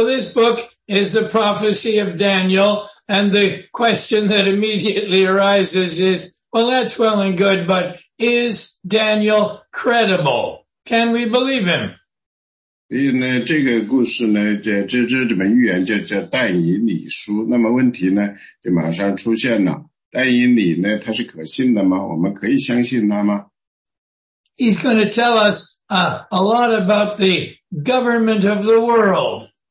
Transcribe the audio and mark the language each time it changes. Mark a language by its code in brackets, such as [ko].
[en] this book is the prophecy of Daniel, and the question that immediately arises is, well, that's well and good, but is Daniel credible? Can we believe him? [zh] 所以呢，这个故事呢，这本预言叫但以理书。那么问题呢，就马上出现了。但以理呢，他是可信的吗？我们可以相信他吗？ [en] He's going to tell us a lot about the government of the world.